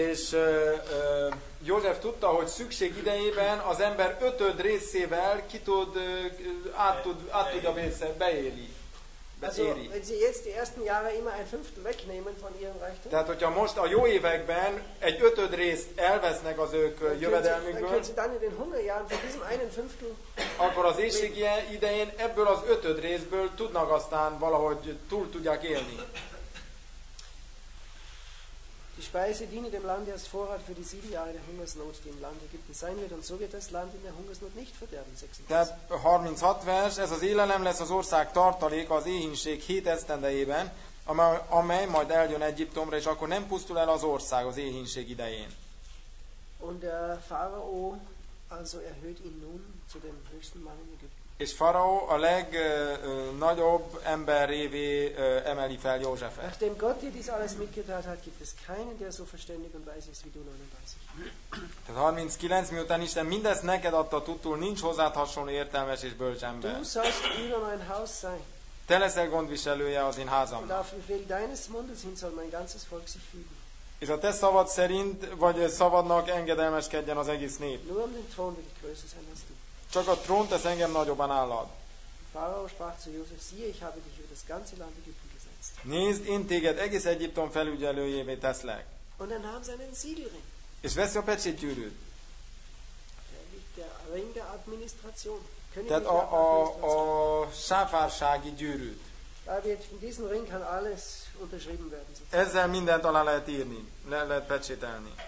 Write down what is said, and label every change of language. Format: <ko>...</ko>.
<hu>És József tudta, hogy szükség idejében az ember ötöd részével ki tud át tudja beérni.</hu> <de>Wenn Sie jetzt die ersten Jahre immer ein Fünftel wegnehmen von Ihrem Reichtum,</de> <hu>tehát, hogyha most a jó években egy ötöd részt elvesznek az ők jövedelmükből,</hu> <de>dann können Sie in den Hungerjahren von diesem einen Fünftel,</de> <hu>akkor az éhség idején ebből az ötöd részből tudnak aztán valahogy túl tudják élni.</hu> <de>Die Speise diene dem Lande als Vorrat für die sieben Jahre der Hungersnot, die im Lande Ägypten sein wird, und so wird das Land in der Hungersnot nicht verderben.</de> <hu>36 vers, ez az élelem lesz az ország tartaléka az éhínség 7 esztendejében, amely majd eljön Egyiptomra, és akkor nem pusztul el az ország az éhínség idején.</hu> <de>Und der Pharao also erhöht ihn nun zu dem höchsten Mann in Ägypten.</de> <hu>És Faraó a legnagyobb ember révé emeli fel Józsefet.</hu> <de>Nachdem Gott dir dies alles mitgeteilt hat, gibt es keinen, der so verständig und weise ist wie du, 39.</de> <hu>Tehát 39, miután Isten mindezt neked adta tudtul, nincs hozzád hasonló értelmes és bölcs ember.</hu> <de>Du sollst über mein Haus sein.</de> <hu>Te leszel gondviselője az én házamnak.</hu> <de>Und auf Befehl deines Mundes hin soll mein ganzes Volk sich fügen.</de> <hu>És a te szavad szerint, vagy szavadnak engedelmeskedjen az egész nép.</hu> <de>Nur um den Thron will ich größer sein als du.</de> <hu>Csak a trón tesz engem nagyobb nálad.</hu> <de>Pharao sprach zu Josef, siehe, ich habe dich über das ganze Land Ägypten gesetzt.</de> <hu>Nézd, én téged egész Egyiptom felügyelőjévé teszlek.</hu> <de>Und er nahm seinen Siegelring.</de> <hu>És veszi a pecsétgyűrűt.</hu> <de>Der Ring der Administration.</de> <hu>Tehát a sáfársági gyűrűt.</hu> <de>In diesem Ring kann alles unterschrieben werden. Sozusagen.</de> <hu>Ezzel mindent alá lehet írni, le lehet pecsételni.</hu>